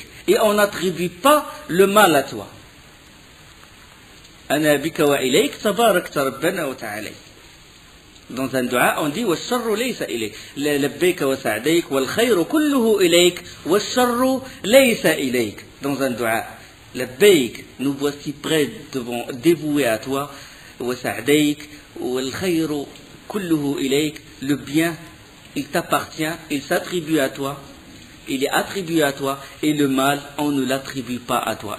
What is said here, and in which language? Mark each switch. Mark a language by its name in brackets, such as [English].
[French] Et on n'attribue pas le mal à toi. [Arabic] أنا بك وإليك تبارك ربنا وتعاليك. [French] Dans un dua, on dit [Arabic] والشر ليس إليك. لبيك وسعديك والخير كله إليك والشر ليس إليك. [French] Dans un dua, لبيك, nous voici prêts devant, dévoués à toi, [Arabic] وسعديك والخير كله إليك. [French] Le bien, il t'appartient, il s'attribue à toi. Il est attribué à toi et le mal, on ne l'attribue pas à toi.